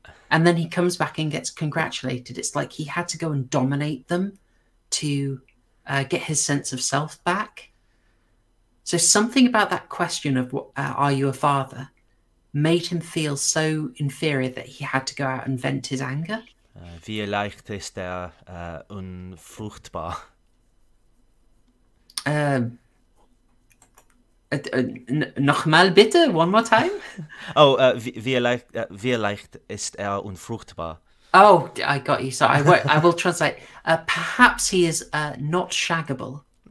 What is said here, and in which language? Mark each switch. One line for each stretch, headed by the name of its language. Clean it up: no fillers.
English: And then he comes back and gets congratulated. It's like he had to go and dominate them to get his sense of self back. So something about that question of, are you a father, made him feel so inferior that he had to go out and vent his anger.
German: Vielleicht ist er unfruchtbar. Nochmal bitte,
English: one more time.
German: Oh, vielleicht ist er unfruchtbar.
English: Oh, I got you. So I will translate. Perhaps he is not shaggable.